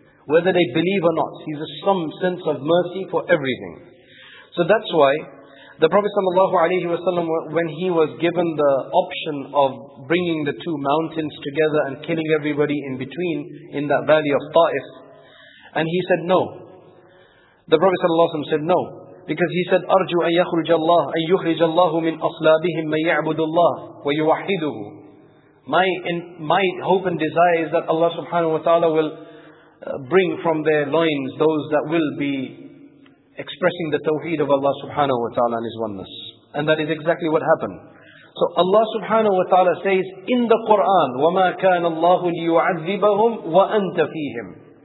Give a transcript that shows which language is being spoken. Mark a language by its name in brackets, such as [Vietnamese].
[English] Whether they believe or not, he's a some sense of mercy for everything. So that's why the Prophet sallallahu alayhi wa sallam, when he was given the option of bringing the two mountains together and killing everybody in between in that valley of Ta'if, and he said no. The Prophet sallallahu alayhi wa sallam said no. Because he said, [Arabic] أَرْجُوا أَن يَخْرُجَ اللَّهُ أَن يُخْرِجَ اللَّهُ مِنْ أَصْلَابِهِمْ مَنْ يَعْبُدُ اللَّهُ وَيُوَحِّدُهُ. [English] My hope and desire is that Allah subhanahu wa ta'ala will bring from their loins those that will be expressing the tawheed of Allah subhanahu wa ta'ala and his oneness. And that is exactly what happened. So Allah subhanahu wa ta'ala says in the Quran, [Arabic] وَمَا كَانَ اللَّهُ لِيُعَذِّبَهُمْ وَأَنْتَ فِيهِمْ.